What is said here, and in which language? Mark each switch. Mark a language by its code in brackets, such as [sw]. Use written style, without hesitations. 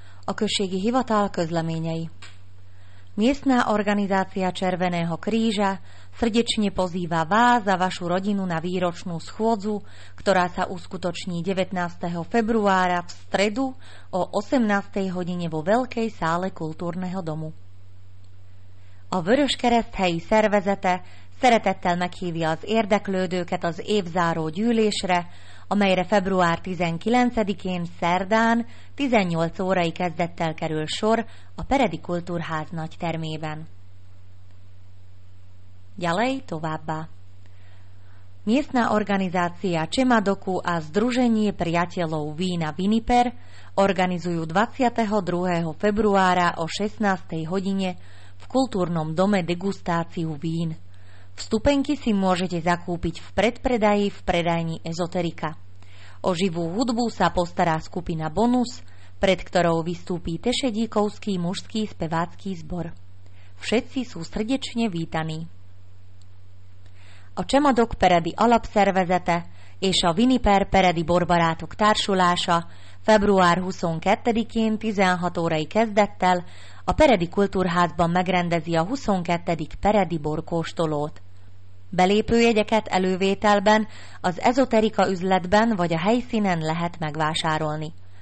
[hu] Okösségi hivatal közleményei. [sk] Miestna organizácia Červeného kríža srdečne pozýva vás a vašu rodinu na výročnú schôdzu, ktorá sa uskutoční 19. februára v stredu o 18. hodine vo Veľkej sále kultúrneho domu. [hu] A vöröskereszt helyi szervezete szeretettel meghívja az érdeklődőket az évzáró gyűlésre, amelyre február 19-én szerdán 18 órai kezdettel kerül sor a Peredi Kultúrház nagy termében. [sk] Ďalej [hu] továbbá. [sk] Miestna organizácia Čemadoku a Združenie priateľov vína Viniper organizujú 22. februára o 16. hodine v kultúrnom dome degustáciu vín. Vstupenky si môžete zakúpiť v predpredaji v predajni Ezoterika. O živú hudbu sa postará skupina Bonus, pred ktorou vystúpí Tešedíkovský mužský spevácky zbor. Všetci sú srdečne vítaní. [hu] A Čemadok Peredi Alapszervezete és a Viniper Peredi Borbarátok társulása február 22-én 16 órai kezdettel a Peredi Kultúrházban megrendezi a 22. Peredi borkóstolót. Belépőjegyeket elővételben az Ezoterika üzletben vagy a helyszínen lehet megvásárolni.